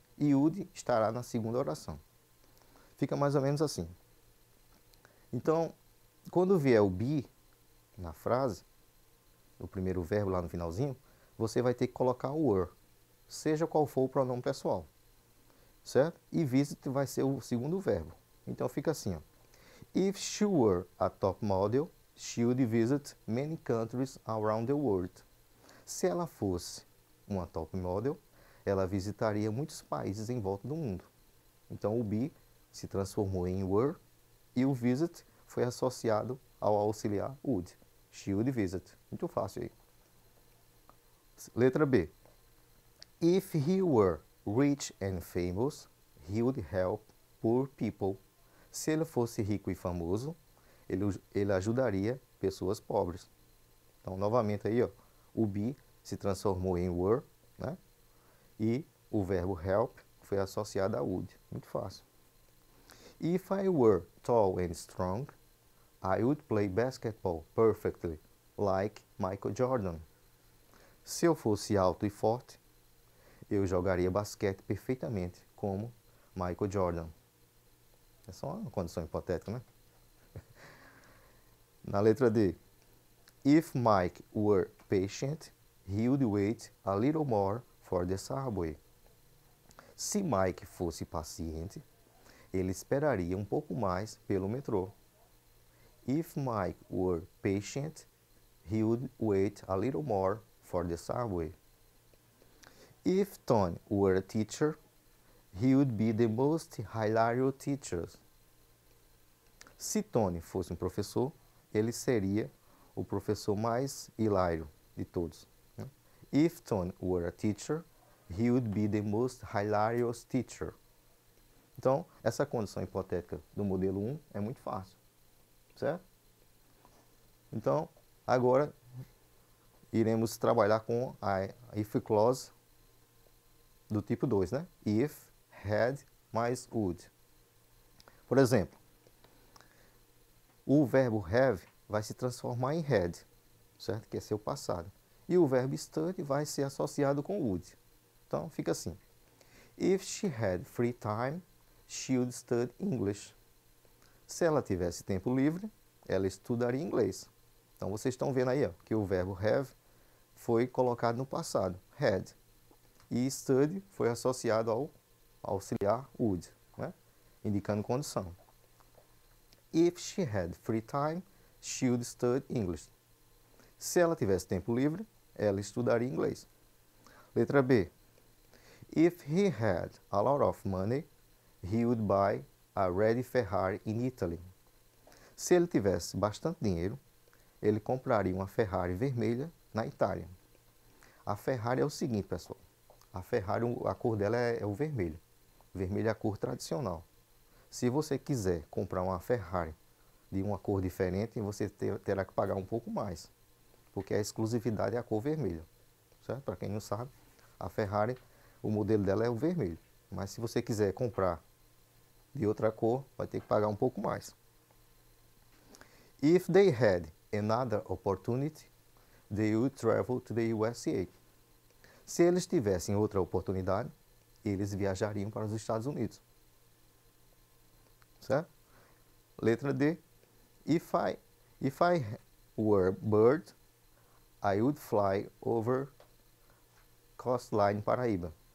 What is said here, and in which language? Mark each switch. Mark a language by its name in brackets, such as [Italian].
[Portuguese] E would estará na segunda oração. Fica mais ou menos assim. Então, quando vier o be na frase, o primeiro verbo lá no finalzinho, você vai ter que colocar o were, seja qual for o pronome pessoal. Certo? E visit vai ser o segundo verbo. Então, fica assim, ó. [English] If she were a top model, she would visit many countries around the world. [Portuguese] Se ela fosse uma top model, ela visitaria muitos países em volta do mundo. Então o be se transformou em were e o visit foi associado ao auxiliar would. [English] She would visit. [Portuguese] Muito fácil aí. Letra B. [English] If he were rich and famous, he would help poor people. [Portuguese] Se ele fosse rico e famoso, ele ajudaria pessoas pobres. Então, novamente aí, ó, o be se transformou em were, né? E o verbo help foi associado a would. Muito fácil. [English] If I were tall and strong, I would play basketball perfectly, like Michael Jordan. [Portuguese] Se eu fosse alto e forte, eu jogaria basquete perfeitamente, como Michael Jordan. É só uma condição hipotética, né? Na letra D. [English] If Mike were patient, he would wait a little more for the subway. [Portuguese] Se Mike fosse paciente, ele esperaria um pouco mais pelo metrô. [English] If Mike were patient, he would wait a little more for the subway. If Tony were a teacher, he would be the most hilarious teacher. [Portuguese] Se Tony fosse um professor, ele seria o professor mais hilário de todos. [English] If Tony were a teacher, he would be the most hilarious teacher. [Portuguese] Então, essa condição hipotética do modelo 1 é muito fácil. Certo? Então, agora iremos trabalhar com a if clause do tipo 2, né? If, had, mais would. Por exemplo, o verbo have vai se transformar em had, certo? Que é seu passado. E o verbo study vai ser associado com would. Então, fica assim. [English] If she had free time, she would study English. [Portuguese] Se ela tivesse tempo livre, ela estudaria inglês. Então, vocês estão vendo aí, ó, que o verbo have foi colocado no passado, had. E study foi associado ao auxiliar would, né? Indicando condição. [English] If she had free time, she would study English. [Portuguese] Se ela tivesse tempo livre, ela estudaria inglês. Letra B. [English] If he had a lot of money, he would buy a red Ferrari in Italy. [Portuguese] Se ele tivesse bastante dinheiro, ele compraria uma Ferrari vermelha na Itália. A Ferrari é o seguinte, pessoal. A Ferrari, a cor dela é o vermelho. Vermelho é a cor tradicional. Se você quiser comprar uma Ferrari de uma cor diferente, você terá que pagar um pouco mais, porque a exclusividade é a cor vermelha. Certo? Para quem não sabe, a Ferrari, o modelo dela é o vermelho. Mas se você quiser comprar de outra cor, vai ter que pagar um pouco mais. [English] If they had another opportunity, they would travel to the USA. [Portuguese] Se eles tivessem outra oportunidade, eles viajariam para os Estados Unidos. Certo? Letra D. [English] If I were bird, I would fly over coastline Paraíba.